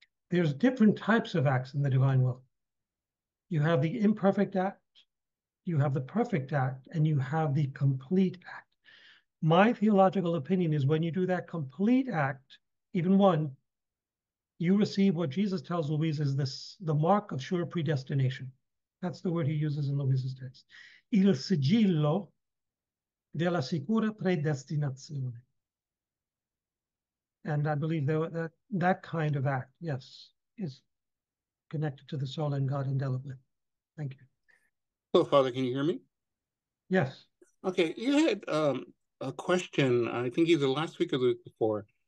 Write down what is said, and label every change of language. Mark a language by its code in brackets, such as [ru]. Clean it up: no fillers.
[en] There's different types of acts in the divine will. You have the imperfect act, you have the perfect act, and you have the complete act. My theological opinion is when you do that complete act, even one, you receive what Jesus tells Louise is this, the mark of sure predestination. That's the word he uses in Luisa's text. [it] Il sigillo della sicura predestinazione. [en] And I believe that kind of act, yes, is connected to the soul and God indelibly. Thank you. Hello, Father, can you hear me? Yes. Okay, you had a question, I think either last week or the week before.